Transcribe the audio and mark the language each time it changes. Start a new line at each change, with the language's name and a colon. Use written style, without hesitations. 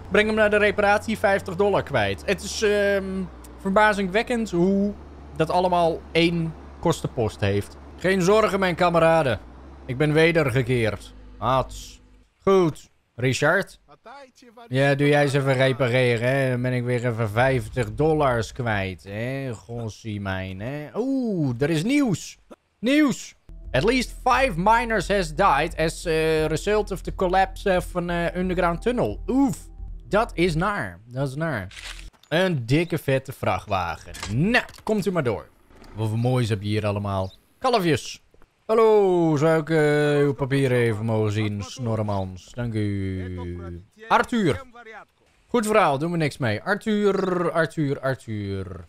Dutch: Breng hem naar de reparatie, $50 kwijt. Het is verbazingwekkend hoe dat allemaal 1 kostenpost heeft. Geen zorgen, mijn kameraden. Ik ben wedergekeerd. Hats. Goed. Richard? Ja, doe jij eens even repareren, hè? Dan ben ik weer even $50 kwijt, hè? Gossie mijn, hè? Oeh, er is nieuws! Nieuws!
English: At least 5 miners has died as a result of the collapse of an underground tunnel.
Dutch: Oef! Dat is naar. Dat is naar. Een dikke vette vrachtwagen. Nou, komt u maar door. Wat voor moois heb je hier allemaal. Kalfjes! Hallo, zou ik uw papieren even mogen zien, Snorremans? Dank u. Arthur. Goed verhaal, doen we niks mee. Arthur.